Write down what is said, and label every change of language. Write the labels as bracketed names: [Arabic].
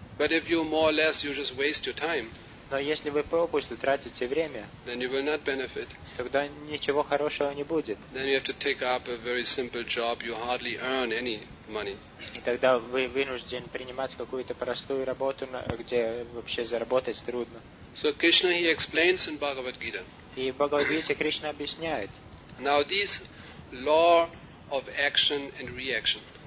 [English] But if you more or less you just waste your time. [Russian] Но если вы пропустите, тратите время, [English] then you will not benefit. [Russian] Тогда ничего хорошего не будет. [English] Then you have to take up a very simple job. You hardly earn any money. [Russian] И тогда вы вынужден принимать какую-то простую работу, где вообще заработать трудно. [English] So Krishna, he explains in Bhagavad Gita. [Russian] И в Бхагавад-гите Кришна объясняет. [English] Now this law of action and reaction.